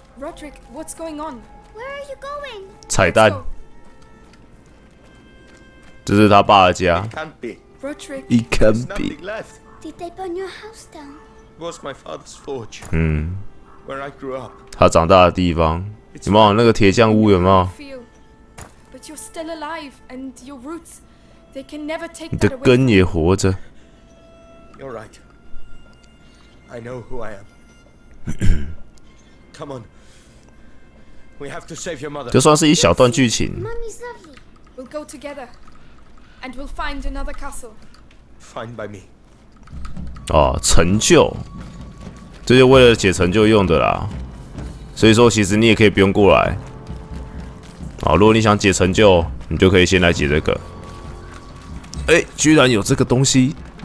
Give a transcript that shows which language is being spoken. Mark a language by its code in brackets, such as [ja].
[en] Roderick, what's going on? Where are you going? [zh] 彩蛋。这是他爸的家。 [en] It can't be. Roderick. It can't be. There's nothing left. Did they burn your house down? It was my father's forge. 嗯。 Where I grew up. [zh] 他长大的地方。有没有那个铁匠屋？有没有？ [en] you're still alive and your roots, they can never take that away. [zh] 你的根也活着。 [en] You're right. I know who I am. Come on. We have to save your mother. [zh] 就算是一小段剧情。 [en] Mommy's lovely. We'll go together, and we'll find another castle. Fine by me. [zh] 哦，成就，这就为了解成就用的啦。所以说，其实你也可以不用过来。哦，如果你想解成就，你就可以先来解这个。哎，居然有这个东西！